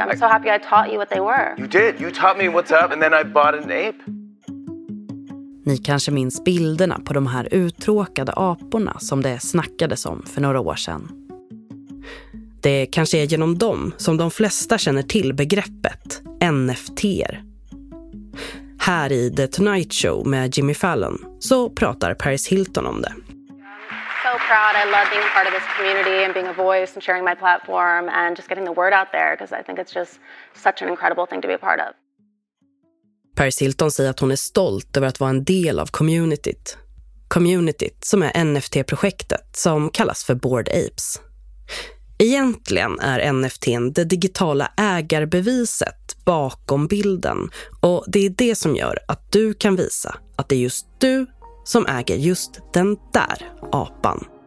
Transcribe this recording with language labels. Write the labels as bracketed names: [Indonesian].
[English] I'm so happy I taught you what they were. You did. You taught me what's up and then I bought an ape. [Swedish] Ni kanske minns bilderna på de här uttråkade aporna som det snackades om för några år sedan. Det kanske är genom dem som de flesta känner till begreppet NFT-er. Här i The Tonight Show med Jimmy Fallon så pratar Paris Hilton om det. [English] So proud. I love being part of this community and being a voice and sharing my platform and just getting the word out there because I think it's just such an incredible thing to be a part of. [Swedish] Paris Hilton säger att hon är stolt över att vara en del av communityt. Communityt som är NFT-projektet som kallas för Bored Apes. Egentligen är NFT:n det digitala ägarbeviset bakom bilden och det är det som gör att du kan visa att det är just du som äger just den där apan.